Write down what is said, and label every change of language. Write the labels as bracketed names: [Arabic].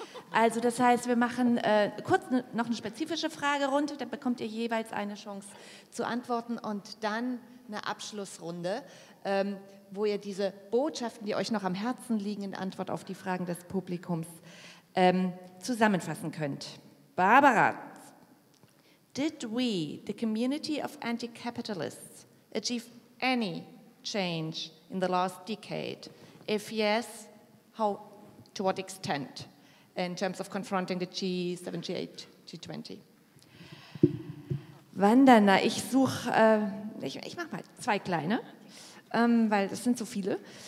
[German] Also das heißt, wir machen kurz noch eine spezifische Fragerunde, da bekommt ihr jeweils eine Chance zu antworten und dann eine Abschlussrunde, wo ihr diese Botschaften, die euch noch am Herzen liegen, in Antwort auf die Fragen des Publikums zusammenfassen könnt. [English] Barbara, did we, the community of anti-capitalists, achieve any change in the last decade? If yes, how, to what extent in terms of confronting the G7, G8, G20? [German] Vandana, ich suche, ich mache mal 2 kleine, weil das sind so viele.